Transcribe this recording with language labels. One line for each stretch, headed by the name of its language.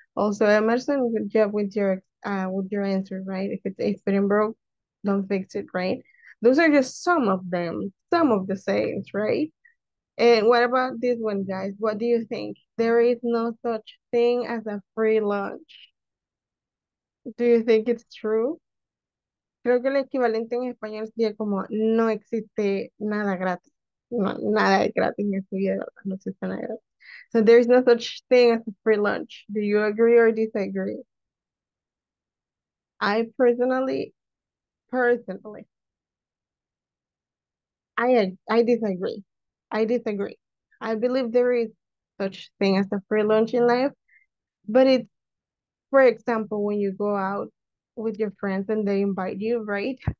English: Also, Emerson, good job with your answer, right? If it didn't broke, don't fix it, right? Those are just some of them, some of the sayings, right? And what about this one, guys? What do you think? There is no such thing as a free lunch. Do you think it's true?
Spanish: Creo que el equivalente en español sería como no existe nada gratis. No, nada de gratis en esta vida, no existe nada gratis.
English: So there is no such thing as a free lunch. Do you agree or disagree? I personally, I disagree. I disagree. I believe there is such thing as a free lunch in life, but it's, for example, when you go out with your friends and they invite you, right?